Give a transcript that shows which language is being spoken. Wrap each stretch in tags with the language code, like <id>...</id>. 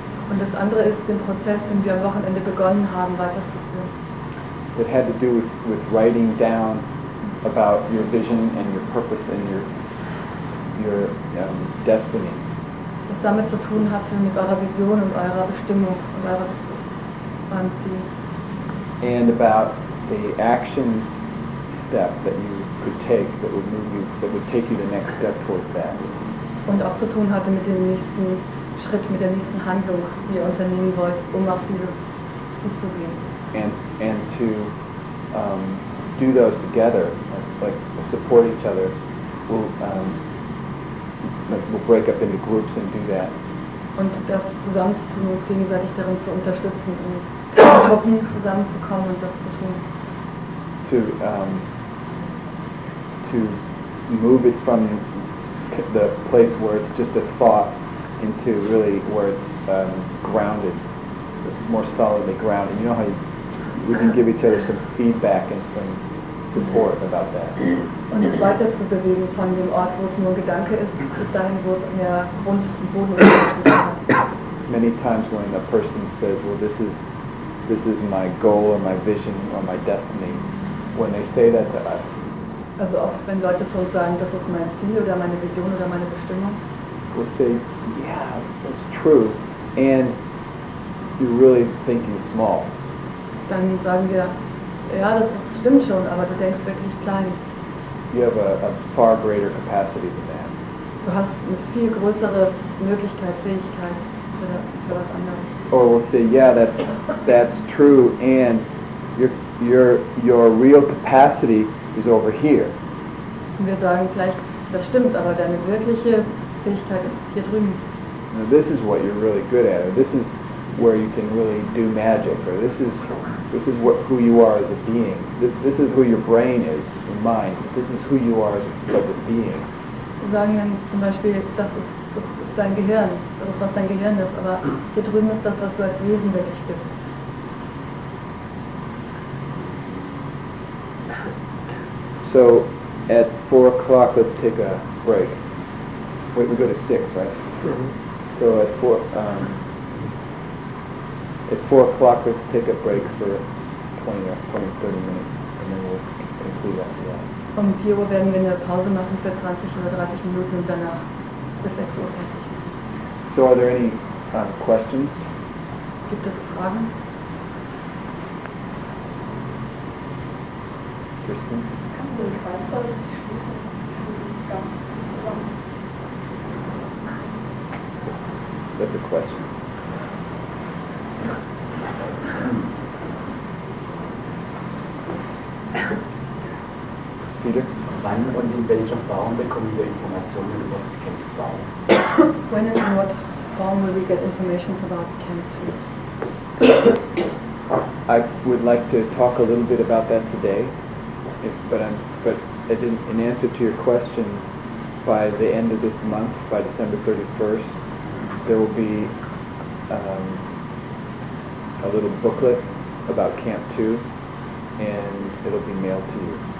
<de>Und das andere ist den Prozess, den wir am Wochenende begonnen haben, weiterzuführen.</de> <en>It had to do with writing down about your vision and your purpose and your destiny.</en> <de>Was damit zu tun hat, mit eurer Vision und eurer Bestimmung und eurer Ziel.</de> <en>And about the action step that you could take that would move you, that would take you the next step towards that.</en> <de>Und auch zu tun hatte mit dem nächsten Schritt, mit der nächsten Handlung, die ihr unternehmen wollt, um auf dieses zuzugehen.</de> <en>And to do those together, like support each other, we'll break up into groups and do that.</en> <de>Und das zusammenzutun, uns gegenseitig darin zu unterstützen, in Gruppen zusammenzukommen und das zu tun.</de> <en>To move it from the place where it's just a thought into really where it's grounded. It's more solidly grounded. You know how we can give each other some feedback and some support about that.</en> <de>Und es weiter zu bewegen von dem Ort, wo es nur Gedanke ist, bis dahin, wo es mehr Grund und Boden ist.</de> <en>Many times when a person says, well, this is my goal or my vision or my destiny, when they say that to us.</en> <de>Also oft, wenn Leute zu uns sagen, das ist mein Ziel oder meine Vision oder meine Bestimmung.</de> <en>We'll say, yeah, that's true. And you're really thinking small.</en> <de>Dann sagen wir, ja, das ist stimmt schon, aber du denkst wirklich klein.</de> <en>You have a far greater capacity than that.</en> <de>Du hast eine viel größere Möglichkeit, Fähigkeit für was anderes.</de> <en>Or we'll say, yeah, that's true, and your real capacity is over here.</en> <de>Und wir sagen vielleicht, das stimmt, aber deine wirkliche Fähigkeit ist hier drüben.</de> <en>Now this is what you're really good at. This is where you can really do magic, or this is what who you are as a being. This is who your brain is, your mind. This is who you are as a being.</en> <de>Sagen dann zum Beispiel, das ist dein Gehirn, das was dein Gehirn ist, aber hier drüben ist das, was du als Wesen wirklich bist.</de> <en>So, at 4 o'clock, let's take a break. Wait, we go to 6, right? Mm-hmm. So at 4, at 4 o'clock, let's take a break for 20 or 30 minutes, and then we'll conclude after that.</en> <de>Um 4 Uhr werden wir eine Pause machen für 20 oder 30 Minuten und danach bis 6 Uhr fertig.</de> <en>So are there any questions?</en> <de>Gibt es Fragen? Kirsten?</de> <en>That's a question.</en> <de>Wann und in welcher Form bekommen wir Informationen über das Camp 2?</de> <en>When and in what form will we get information about Camp 2? I would like to talk a little bit about that today, but in answer to your question, by the end of this month, by December 31st, there will be a little booklet about Camp 2, and it'll be mailed to you.</en>